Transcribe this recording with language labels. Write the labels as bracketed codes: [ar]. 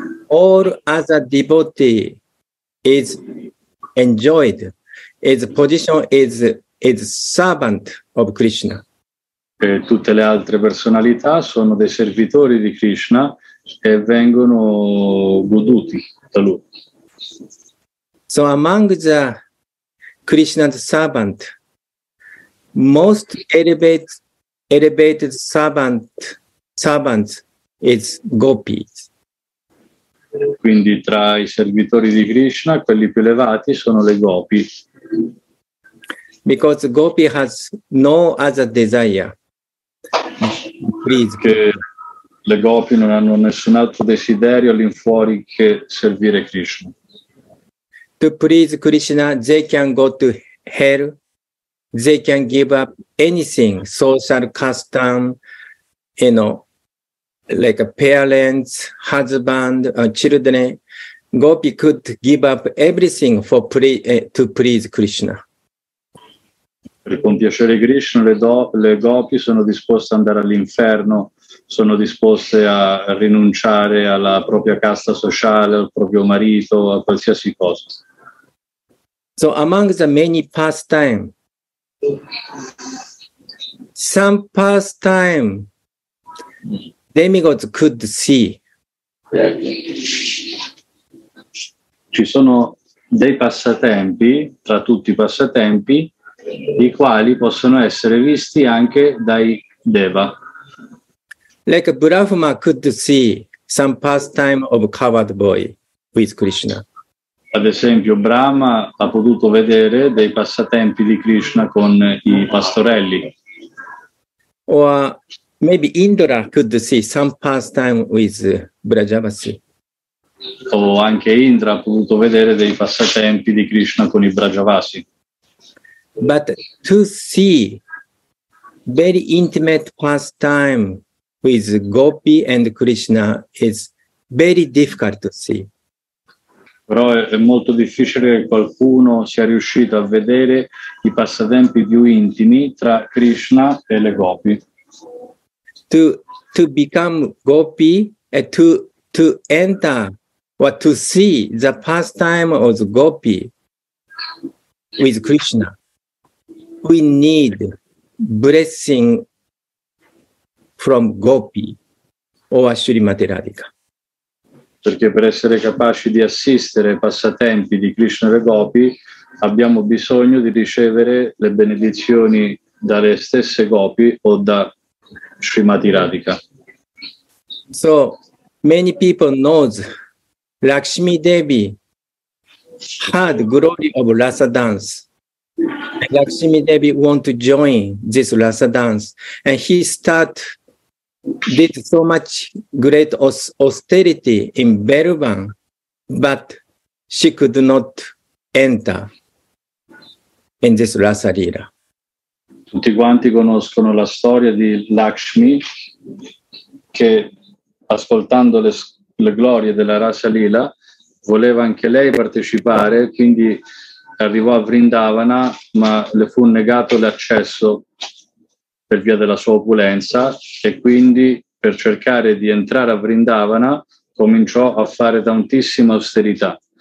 [en] All other devotee is enjoyed. Its position is servant of Krishna. [it] E tutte le altre personalità sono dei servitori di Krishna e vengono goduti da lui. [en] So among the Krishna's servant, most elevated servants is gopis. [it] Quindi tra i servitori di Krishna, quelli più elevati sono le gopi. [en] Because gopi has no other desire. Please. [it] Che le gopi non hanno nessun altro desiderio all'infuori che servire Krishna. [en] To please Krishna, they can go to hell they can give up anything, social custom, you know, like a parents, husband, children. Gopi could give up everything for to please Krishna. [it] Per compiacere Krishna, le gopi sono disposte ad andare all'inferno, sono disposte a rinunciare alla propria casta sociale, al proprio marito, a qualsiasi cosa. [en] So among the many pastime, some pastime demigods could see. [it] Ci sono dei passatempi, tra tutti i passatempi, i quali possono essere visti anche dai Deva. [en] Like Brahma could see some pastime of coward boy with Krishna. [it] Ad esempio, Brahma ha potuto vedere dei passatempi di Krishna con i pastorelli. [en] Or maybe Indra could see some pastime with Vrajavasi. [it] O anche Indra ha potuto vedere dei passatempi di Krishna con i Vrajavasi. [en] But to see very intimate pastime with Gopi and Krishna is very difficult to see. [it] Però è molto difficile che qualcuno sia riuscito a vedere i passatempi più intimi tra Krishna e le Gopi. [en] To become Gopi e to enter or to see the pastime of the Gopi with Krishna, we need blessing from Gopi or Srimati Radhika. [it] Perché per essere capaci di assistere ai passatempi di Krishna e le Gopi abbiamo bisogno di ricevere le benedizioni dalle stesse Gopi o da Srimati Radhika. [en] So many people knows Lakshmi Devi had glory of Rasa dance. Lakshmi Devi want to join this Rasa dance and he start did so much great austerity in Belvan, but she could not enter in this Rasa Lila. [it] Tutti quanti conoscono la storia di Lakshmi che ascoltando le glorie della Rasa Lila voleva anche lei partecipare, quindi arrivò a Vrindavana, ma le fu negato l'accesso per via della sua opulenza e quindi per cercare di entrare a Vrindavana cominciò a fare tantissima austerità.